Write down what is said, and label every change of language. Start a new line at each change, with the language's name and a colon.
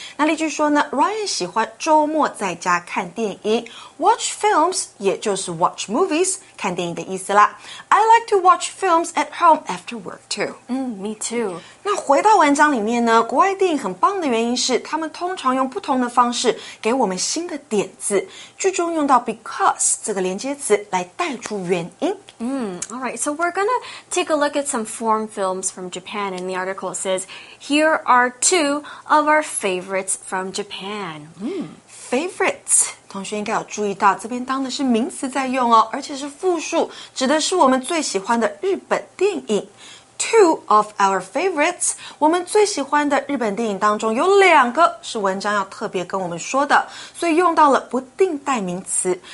Chinese: 那例句说呢 ，Ryan 喜欢周末在家看电影 ，
English: watch films
Chinese: 也就是
English: watch movies
Chinese: 看电影的意思啦。
English: I like to watch films at home after work too. Me too.
Chinese: 那回到文章里面呢，国外电影很棒的原因是他们通常用不同的方式给我们新的点子，句中用到 because 这个连接词来带出原因。
English: All right, so we're gonna take a look at some foreign films from Japan, and the article says, here are two of our favorites from Japan.
Chinese: Favorites, 同学应该有注意到这边当的是名词在用哦，而且是复数，指的是我们最喜欢的日本电影。
English: Two of our favorites,
Chinese: 我们最喜欢的日本电影当中有两个是文章要特别跟我们说的，所以用到了不定代名词。